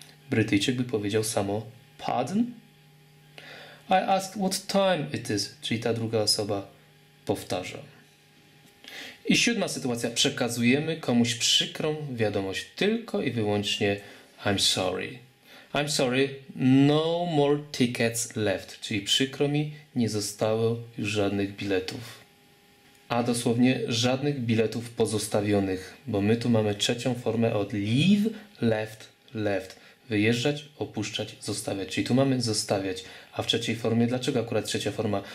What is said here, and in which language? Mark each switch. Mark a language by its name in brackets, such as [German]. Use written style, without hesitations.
[Polish] Brytyjczyk by powiedział samo pardon. [English] I asked what time it is, [Polish] czyli ta druga osoba powtarzam. I siódma sytuacja. Przekazujemy komuś przykrą wiadomość tylko i wyłącznie I'm sorry. [English] I'm sorry, no more tickets left. [Polish] Czyli przykro mi, nie zostało już żadnych biletów. A dosłownie żadnych biletów pozostawionych, bo my tu mamy trzecią formę od leave, left, left. Wyjeżdżać, opuszczać, zostawiać. Czyli tu mamy zostawiać. A w trzeciej formie, dlaczego akurat trzecia forma?